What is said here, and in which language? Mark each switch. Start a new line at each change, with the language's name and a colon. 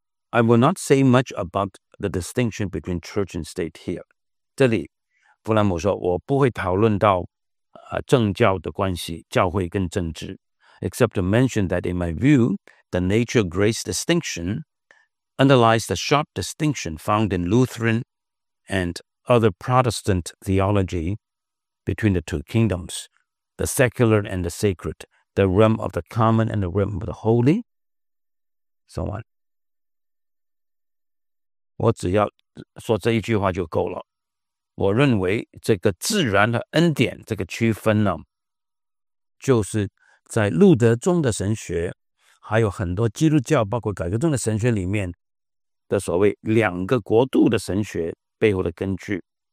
English: I will not say much about the distinction between church and state here。
Chinese: 这里弗兰姆说，我不会讨论到政教的关系，教会跟政治，
English: except to mention that in my view, the nature-grace distinction underlies the sharp distinction found in Lutheran and other Protestant theology between the two kingdoms, the secular and the sacred, the realm of the common and the realm of the holy, so on.
Chinese: 我只要说这一句话就够了。我认为这个自然和恩典这个区分呢，就是在路德宗的神学还有很多基督教包括改革宗的神学里面的所谓两个国度的神学背后的根据。